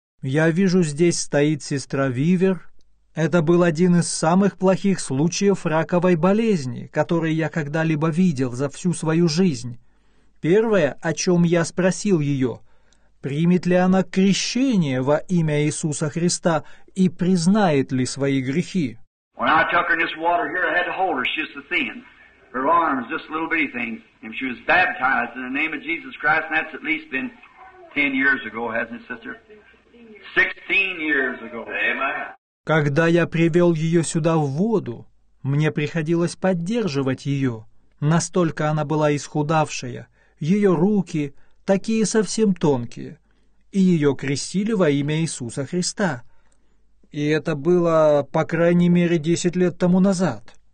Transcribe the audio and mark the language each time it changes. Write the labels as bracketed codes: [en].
[ru] Я вижу, здесь стоит сестра Вивер. Это был один из самых плохих случаев раковой болезни, который я когда-либо видел за всю свою жизнь. Первое, о чем я спросил ее, примет ли она крещение во имя Иисуса Христа и признает ли свои грехи? [en] When I took her in this water here, I had to hold her. She's so thin. Her arms, just a little bitty thing. And she was baptized in the name of Jesus Christ, and that's at least been 10 years ago, hasn't it, sister? 16 years ago. Amen. [ru] Когда я привел ее сюда в воду, мне приходилось поддерживать ее. Настолько она была исхудавшая. Ее руки такие совсем тонкие. И ее крестили во имя Иисуса Христа. И это было, по крайней мере, 10 лет тому назад.